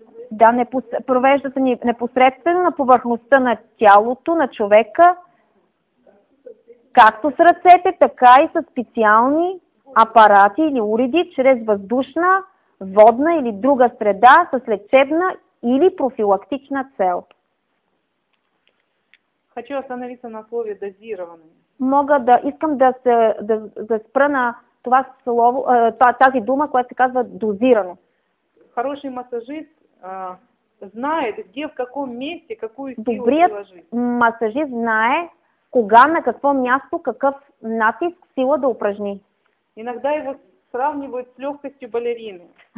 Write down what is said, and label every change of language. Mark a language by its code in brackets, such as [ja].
[bg] Да, провежда се непосредствено на повърхността на тялото на човека, както с ръцете, така и с специални апарати или уреди, чрез въздушна, водна или друга среда с лечебна или профилактична цел. [ru] Хочу остановиться на слове дозирование. [bg] Искам да спра на това слово, тази дума, която се казва дозирано. [ru] Хороший масажист знает, где, в каком месте, какую силу положить. [bg] Добрият масажист знае кога, на какво място, какъв натиск, сила да упражни. [ru] Иногда его сравнивают с легкостью балерины.